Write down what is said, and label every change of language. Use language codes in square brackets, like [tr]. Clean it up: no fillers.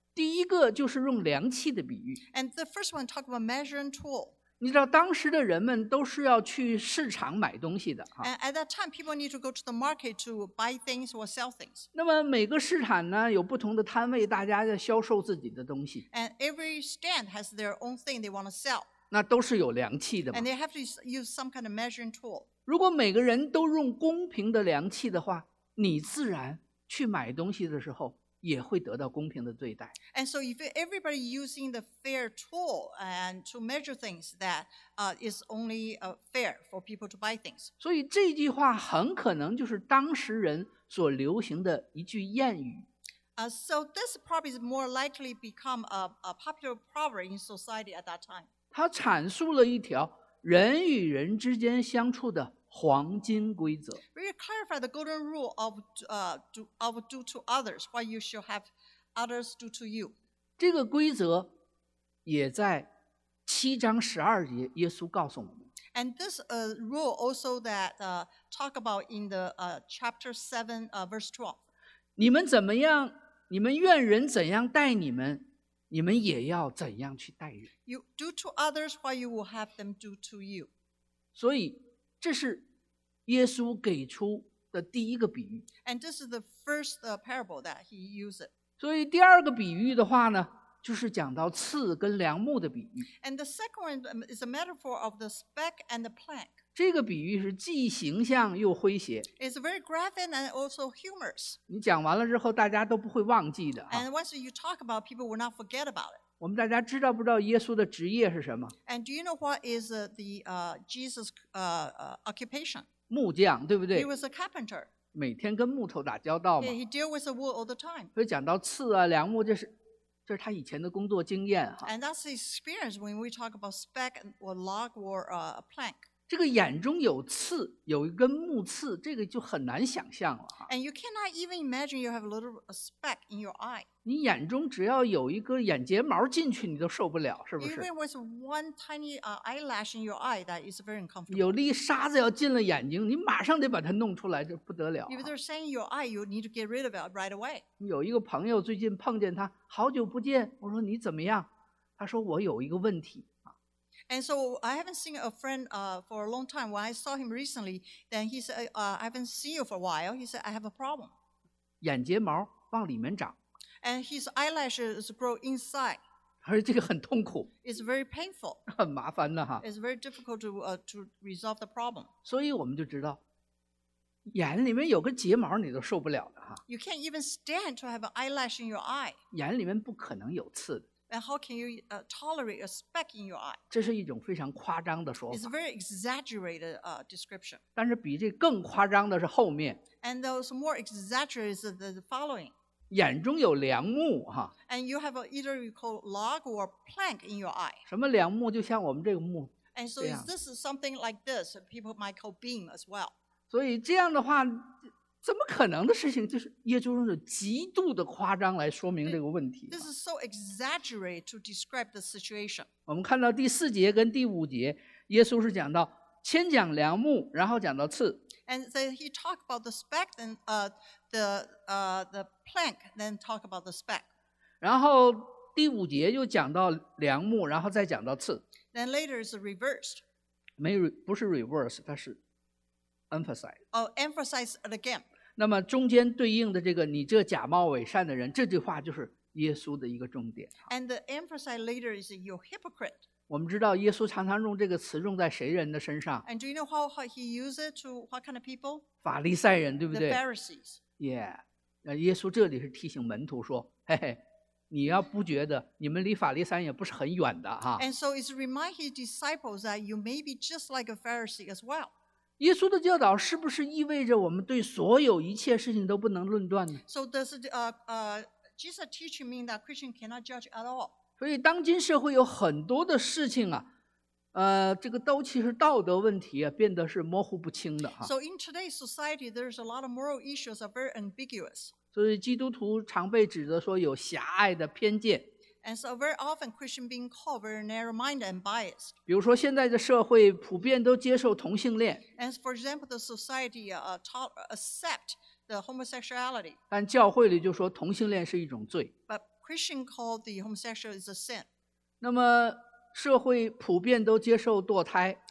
[zh] 第一个就是用量器的比喻。 [en] And the first one talk about measuring tool. [zh] 你知道当时的人们都是要去市场买东西的。 [en] And at that time, people need to go to the market to buy things or sell things. [zh] 那么每个市场呢有不同的摊位，大家在销售自己的东西。 [en] And every stand has their own thing they want to sell. [zh] 那都是有量器的嘛。 [en] And they have to use some kind of measuring tool. [zh] 如果每个人都用公平的量器的话，你自然去买东西的时候也会得到公平的对待。 [en] And so if everybody using the fair tool and to measure things, that is only fair for people to buy things. [zh] 所以这句话很可能就是当时人所流行的一句谚语。 [en] So this probably is more likely become a popular proverb in society at that time. [zh] 它阐述了一条人与人之间相处的黄金规则。 [en] We clarify the golden rule of do to others what you shall have others do to you. [zh] 这个规则也在七章十二节，耶稣告诉我们。 [en] And this rule also that talk about in the chapter 7 verse 12. [zh] 你们怎么样？你们愿人怎样待你们？你们也要怎样去待人。 [en] You do to others what you will have them do to you. [zh] 所以这是耶稣给出的第一个比喻。 [en] And this is the first parable that he used. [zh] 所以第二个比喻的话呢，就是讲到刺跟梁木的比喻。 [en] And the second one is a metaphor of the speck and the plank. [zh] 这个比喻是既形象又诙谐。 [en] It's very graphic and also humorous. [zh] 你讲完了之后大家都不会忘记的。 [en] And once you talk about it, people will not forget about it. [zh] 我们大家知道不知道耶稣的职业是什么？ [en] And do you know what is the Jesus occupation? [zh] 木匠，对不对？ [en] He was a carpenter. [zh] 每天跟木头打交道嘛。 [en] He deal with the wood all the time. [zh] 所以讲到刺啊、梁木，这是他以前的工作经验哈。 [en] And that's his experience when we talk about speck or log or a plank. [zh] 这个眼中有刺，有一根木刺，这个就很难想象了哈。 [en] And you cannot even imagine you have a little speck in your eye. [zh] 你眼中只要有一个眼睫毛进去，你都受不了，是不是？ [en] Even with one tiny eyelash in your eye, that is very uncomfortable. [zh] 有粒沙子要进了眼睛，你马上得把它弄出来，这不得了。 [en] If they're saying your eye, you need to get rid of it right away. [zh] 有一个朋友最近碰见他，好久不见，我说你怎么样？他说我有一个问题。 [en] And so I haven't seen a friend for a long time. When I saw him recently, then he said, "I haven't seen you for a while." He said, "I have a problem." [zh] 眼睫毛往里面长。 [en] And his eyelashes grow inside. [zh] 而这个很痛苦。 [en] It's very painful. [zh] 很麻烦的哈。 [en] It's very difficult to resolve the problem. [zh] 所以我们就知道，眼里面有个睫毛你都受不了的哈。 [en] You can't even stand to have an eyelash in your eye. [zh] 眼里面不可能有刺的。 [en] And how can you tolerate a speck in your eye? [zh] 这是一种非常夸张的说法。 [en] It's a very exaggerated description. [zh] 但是比这更夸张的是后面。 [en] And those more exaggerated is the following. [zh] 眼中有梁木哈。 [en] And you have either you call log or plank in your eye. [zh] 什么梁木？就像我们这个木。 [en] And so is this something like this? People might call beam as well. [zh] 所以这样的话，怎么可能的事情，就是也就是说极度的夸张来说明这个问题。 [en] This is so exaggerated to describe the situation. [zh] 我们看到第四节跟第五节，耶稣是讲到先讲梁木，然后讲到刺。 [en] And so he talked about the speck and the plank, then talk about the speck. [zh] 然后第五节又讲到梁木，然后再讲到刺。 [en] Then later is reversed. [zh] 没不是 reverse， 它是。 [en] Emphasize. Oh, emphasize it again. [zh] 那么中间对应的这个你这假冒伪善的人，这句话就是耶稣的一个重点。 [en] And the emphasize later is your hypocrite. [zh] 我们知道耶稣常常用这个词用在谁人的身上？ [en] And do you know how he uses it to what kind of people? [zh] 法利赛人，对不对？ [en] The Pharisees. Yeah. [zh] 耶稣这里是提醒门徒说，嘿嘿，你要不觉得你们离法利赛人也不是很远的哈。 [en] And so it's remind his disciples that you may be just like a Pharisee as well. [zh] 耶稣的教导是不是意味着我们对所有一切事情都不能论断呢？ [en] So does Jesus teaching mean that Christian cannot judge at all? [zh] 所以当今社会有很多的事情啊，这个都其实道德问题啊，变得是模糊不清的哈。 [en] So in today's society, there's a lot of moral issues are very ambiguous. [zh] 所以基督徒常被指责说有狭隘的偏见。 [en] And so very often Christian being called very narrow-minded and biased. [zh] 比如说现在的社会普遍都接受同性恋。 [en] And for example, the society accept the homosexuality. [zh] 但教会里就说同性恋是一种罪。 [en] But Christian called the homosexual is a sin. [zh] 那么社会普遍都接受堕胎。